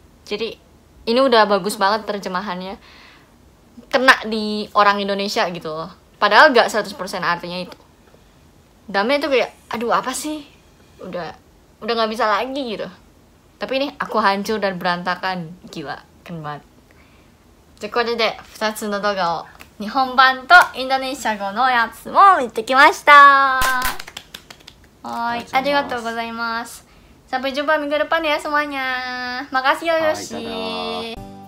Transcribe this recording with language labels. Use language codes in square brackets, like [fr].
[id] Jadi ini udah bagus banget terjemahannya, kena di orang Indonesia gitu loh, padahal gak 100% artinya itu. Damai itu kayak aduh apa sih, udah gak bisa lagi gitu. Tapi ini aku hancur dan berantakan, gila keren banget. [ja] ということで、2つの動画を日本版とインドネシア語のやつも見てきました。はい、ありがとうございます。 [id] Sampai jumpa minggu depan ya semuanya. Makasih ya Yoshi.